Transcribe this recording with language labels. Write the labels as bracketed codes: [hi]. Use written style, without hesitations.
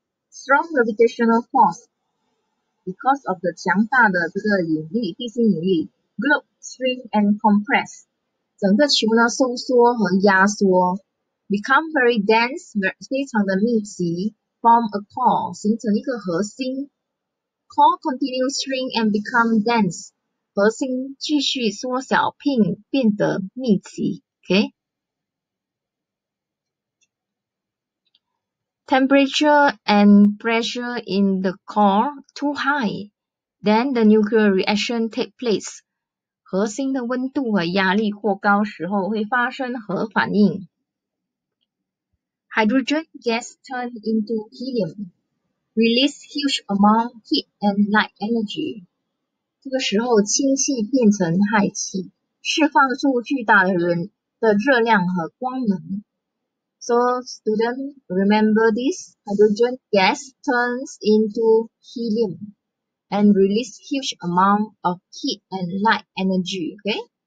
[en] Strong gravitational force, because of the [zh] 强大的这个引力，地心引力 [en] ，globe shrink and compress, [zh] 整个球呢收缩和压缩 [en] ，become very dense, [zh] 非常的密集 [en] ，form a core, [zh] 形成一个核心 [en] ，core continues shrink and become dense. [zh] 核心继续缩小，变得密集。 [en] OK，temperature and pressure in the core too high, then the nuclear reaction take place. [zh] 核心的温度和压力过高时候会发生核反应。 [en] Hydrogen gas turn into helium, release huge amount of heat and light energy. [zh] 这个时候氢气变成氦气，释放出巨大的热量和光能。 [en] So students, remember this, hydrogen gas turns into helium and release huge amount of heat and light energy, okay?